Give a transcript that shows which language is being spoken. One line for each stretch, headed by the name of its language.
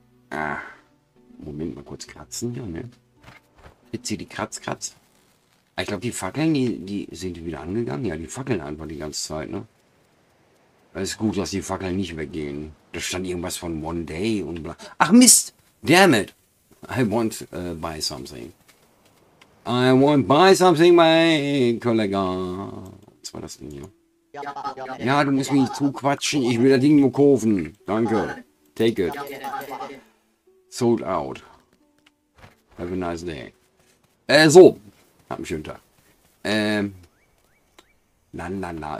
German: Ah. Moment mal kurz kratzen hier, ne? Jetzt hier die Kratz-Kratz. Ich glaube, die Fackeln, die sind wieder angegangen. Ja, die Fackeln einfach die ganze Zeit, ne? Es ist gut, dass die Fackeln nicht weggehen. Da stand irgendwas von One Day und bla. Ach Mist!
English: Damn it! I want buy something. I want buy something, my Kollege.
German: Das war das Ding hier. Ja, du musst mich nicht zuquatschen. Ich will das Ding nur kaufen. Danke.
English: Take it. Sold out. Have a nice day. So.
German: Hab einen schönen Tag. Na, na, na.